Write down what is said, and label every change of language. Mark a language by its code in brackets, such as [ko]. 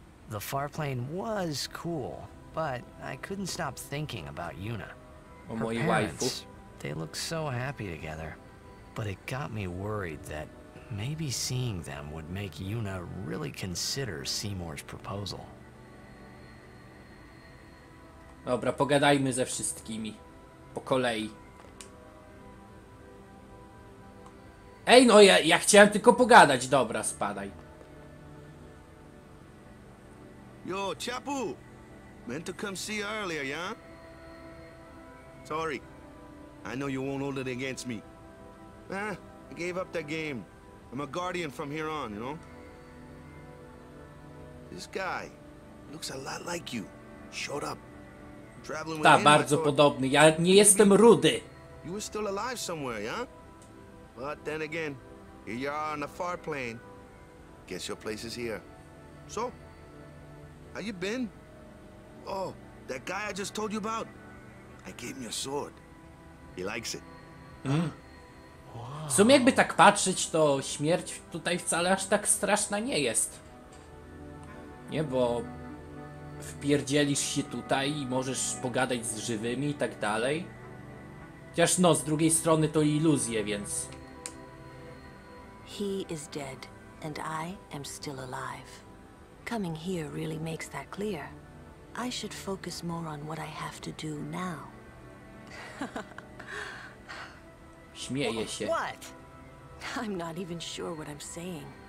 [en] The far plane was cool, but I couldn't stop thinking about Yuna. Her parents, they look so happy together, but it got me worried that maybe seeing them would make Yuna really consider Seymour's proposal. [pl] Dobra, pogadajmy ze wszystkimi po kolei. Ej, no ja chciałem tylko pogadać, dobra, spadaj. [en] Yo, Chapu! Meant to come see you earlier, yeah? Sorry. I know you won't hold it against me. Eh, I gave up the game. I'm a guardian from here on, you know? This guy looks a lot like you. Showed up. Traveling with him, [pl] bardzo podobny. Ja nie jestem rudy. [en] You were still alive somewhere, yeah? But then again, here you are on the far plane. Guess your place is here. So? How you been? Oh, that guy I just told you about? I gave him your sword. He likes it. Mm. [pl] W sumie jakby tak patrzeć, to śmierć tutaj wcale aż tak straszna nie jest. Nie, bo wpierdzielisz się tutaj i możesz pogadać z żywymi i tak dalej. Chociaż no, z drugiej strony to iluzje, więc... [en] He is dead and I am still alive. Coming here really makes that clear. I should focus more on what I have to do now. [pl] Śmieje się. [en] What? I'm not even sure what I'm saying.